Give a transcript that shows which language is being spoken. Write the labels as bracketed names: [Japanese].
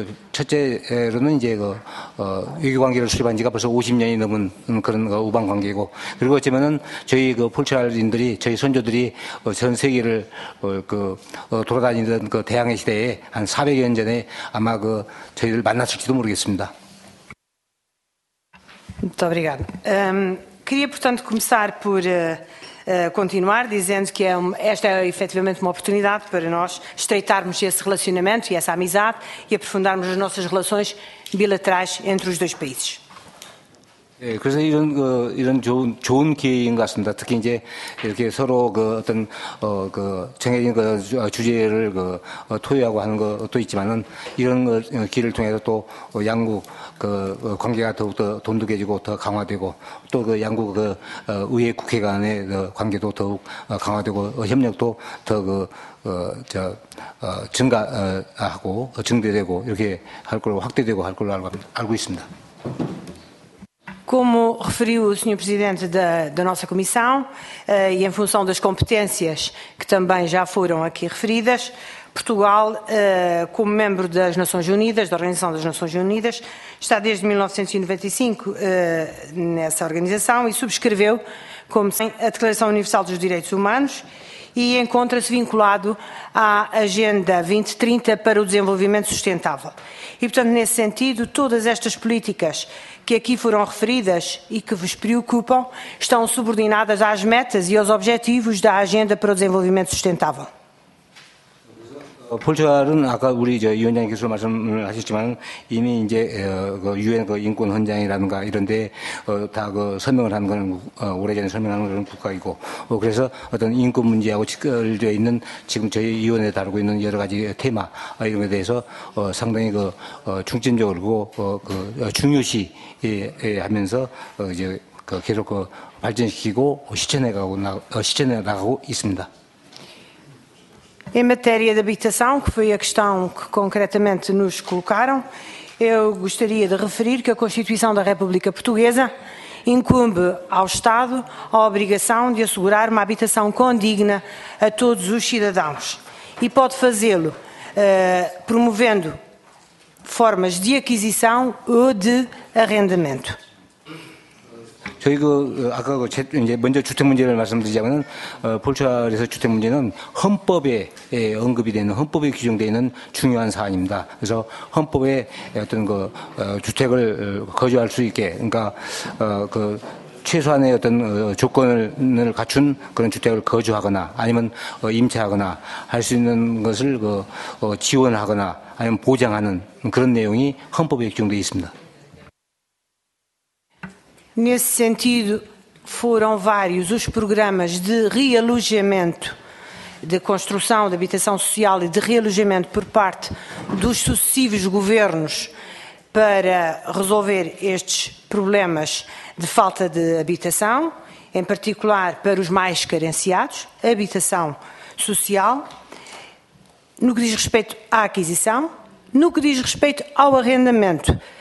[Korean] 첫째로는 이제 그 외교 관계를 수립한 지가 벌써 50년이 넘은 그런 우방 관계고 그리고 어쩌면은 저희 그 폴차인들이 저희 선조들이 전 세계를 돌아다니던 그 대항해 시대에 한 400년 전에 아마 그 저희를 만났을지도 모르겠습니다. [Portuguese] Muito obrigada. Queria, portanto, começar por continuar dizendo que esta é efetivamente uma oportunidade para nós estreitarmos esse relacionamento e essa amizade e aprofundarmos as nossas relações bilaterais entre os dois países. [Korean] 예, 그래서 이런 그 이런 좋은 기회인 것 같습니다. 특히 이제 이렇게 서로 그 어떤 그 정해진 그 주제를 그 토의하고 하는 것도 있지만은 이런 그 기회를 통해서 또 양국 그 관계가 더욱더 돈독해지고 더 강화되고 또 그 양국 그 의회 국회 간의 그 관계도 더욱 강화되고 협력도 더 그 증가하고 증대되고 이렇게 할 걸로 확대되고 할 걸로 알고 있습니다. [Portuguese] Como referiu o Sr. Presidente da nossa Comissão, e em função das competências que também já foram aqui referidas, Portugal, como membro das Nações Unidas, da Organização das Nações Unidas, está desde 1995 nessa organização e subscreveu, como sabem, a Declaração Universal dos Direitos Humanos e encontra-se vinculado à Agenda 2030 para o Desenvolvimento Sustentável. E, portanto, nesse sentido, todas estas políticas que aqui foram referidas e que vos preocupam, estão subordinadas às metas e aos objetivos da Agenda para o Desenvolvimento Sustentável. [Korean] 폴차르는 아까 우리 저 위원장님께서 말씀을 하셨지만 이미 이제 그 유엔 그 인권 헌장이라든가 이런데 다 그 설명을 하는 건 오래전에 설명하는 그런 국가이고 그래서 어떤 인권 문제하고 직결되어 있는 지금 저희 위원회 다루고 있는 여러 가지 테마 이런 것에 대해서 상당히 그 중점적으로 그 중요시 하면서 이제 그 계속 그 발전시키고 실천해 나가고 있습니다. [Portuguese] Em matéria de habitação, que foi a questão que concretamente nos colocaram, eu gostaria de referir que a Constituição da República Portuguesa incumbe ao Estado a obrigação de assegurar uma habitação condigna a todos os cidadãos e pode fazê-lo promovendo formas de aquisição ou de arrendamento. [Korean] 저희 그 아까 그 이제 먼저 주택 문제를 말씀드리자면은 폴차에서 주택 문제는 헌법에 언급이 되는 헌법에 규정되어 있는 중요한 사안입니다. 그래서 헌법에 어떤 그 주택을 거주할 수 있게 그러니까 그 최소한의 어떤 조건을 갖춘 그런 주택을 거주하거나 아니면 임차하거나 할 수 있는 것을 그 지원하거나 아니면 보장하는 그런 내용이 헌법에 규정되어 있습니다. [Portuguese] Nesse sentido, foram vários os programas de realojamento, de construção de habitação social e de realojamento por parte dos sucessivos governos para resolver estes problemas de falta de habitação, em particular para os mais carenciados, habitação social, no que diz respeito à aquisição, no que diz respeito ao arrendamento.